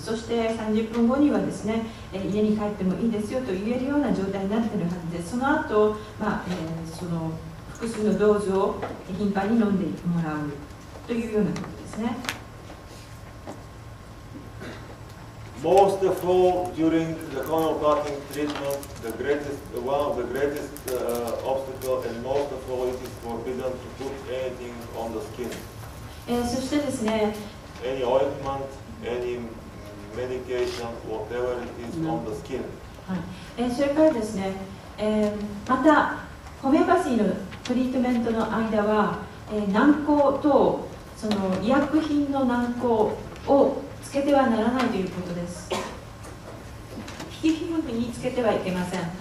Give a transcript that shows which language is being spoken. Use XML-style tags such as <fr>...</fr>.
<ja>そして30分後にはですね、家に帰ってもいいですよと言えるような状態になっているはずで、その後、その複数のドーズを頻繁に飲んでもらうというようなことですね。</ja> <en>Most of all during the corneal blocking treatment, the greatest, one of the greatest, obstacles, and most of all it is forbidden to put anything on the skin.</en> <ja>そしてですね、</ja> <en>Any ointment, any medication, whatever it is on the skin.</en> <ja>はい。それからですね、またホメオパシーのトリートメントの間は、軟膏とその医薬品の軟膏をつけてはならないということです。皮膚部分につけてはいけません。</ja>